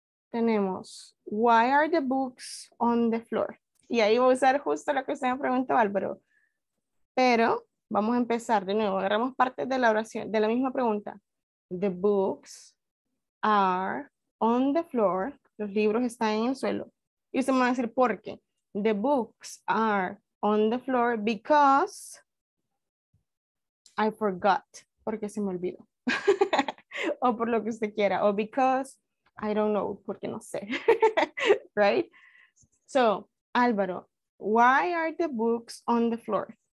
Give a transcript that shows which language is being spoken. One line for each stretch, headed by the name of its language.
Spanish: Tenemos,
English: why are the books on the floor?
Spanish: Y ahí voy a usar justo lo que usted me preguntó, Álvaro. Pero vamos a empezar de nuevo. Agarramos parte de la oración, de la misma pregunta.
English: The books are on the floor.
Spanish: Los libros están en el suelo. Y usted me va a decir, ¿por qué?
English: The books are on the floor because I forgot.
Spanish: Porque se me olvidó. O por lo que usted quiera.
English: O because I don't know.
Spanish: Porque no sé.
English: Right? So, Álvaro, why are the books on the floor?